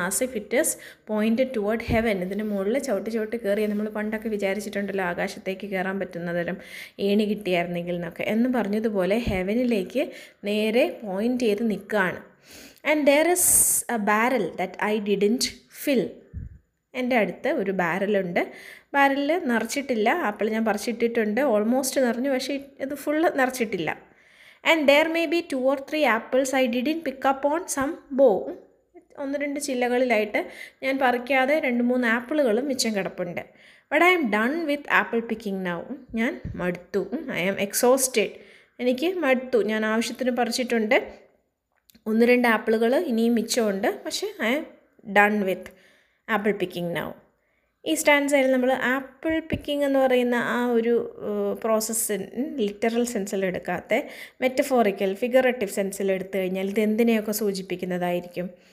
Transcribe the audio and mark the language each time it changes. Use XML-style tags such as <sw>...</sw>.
<en>as if it is pointed toward heaven,</en> <ml>ഇതിന് മുകളിൽ ചവിട്ടി ചവിട്ടി കയറിയാൽ, നമ്മൾ പണ്ടൊക്കെ വിചാരിച്ചിട്ടുണ്ടല്ലോ ആകാശത്തേക്ക് കയറാൻ പറ്റുന്ന തരം ഏണി കിട്ടിയായിരുന്നെങ്കിൽ എന്നൊക്കെ എന്ന് പറഞ്ഞതുപോലെ ഹെവനിലേക്ക് നേരെ പോയിൻ്റ് ചെയ്ത് നിൽക്കുകയാണ്.</ml> <en>and there is a barrel that I didn't fill,</en> <ml>എൻ്റെ അടുത്ത് ഒരു ബാരലുണ്ട്, ബാരലിൽ നിറച്ചിട്ടില്ല, ആപ്പിൾ ഞാൻ പറിച്ചിട്ടിട്ടുണ്ട്, ഓൾമോസ്റ്റ് നിറഞ്ഞു, പക്ഷേ ഇത് full നിറച്ചിട്ടില്ല.</ml> <en>And there may be two or three apples I didn't pick up on some bow.</en> <ml>ഒന്ന് രണ്ട് ചില്ലകളിലായിട്ട് ഞാൻ പറിക്കാതെ രണ്ട് മൂന്ന് ആപ്പിളുകളും മിച്ചം കിടപ്പുണ്ട്.</ml> <en>But I am done with apple picking now.</en> <ml>ഞാൻ മടുത്തു.</ml> <en>I am exhausted.</en> <ml>എനിക്ക് മടുത്തു. ഞാൻ ആവശ്യത്തിന് പറിച്ചിട്ടുണ്ട്, ഒന്ന് രണ്ട് ആപ്പിളുകൾ ഇനിയും മിച്ചമുണ്ട്, പക്ഷേ</ml> <en>I am done with apple picking now.</en> <ml>ഈ സ്റ്റാൻസയിൽ നമ്മൾ ആപ്പിൾ പിക്കിംഗ് എന്ന് പറയുന്ന ആ ഒരു പ്രോസസ്സിൻ ലിറ്ററൽ സെൻസിലെടുക്കാത്ത മെറ്റഫോറിക്കൽ ഫിഗറേറ്റീവ് സെൻസിലെടുത്തു കഴിഞ്ഞാൽ ഇത് എന്തിനെയൊക്കെ സൂചിപ്പിക്കുന്നതായിരിക്കും?</ml>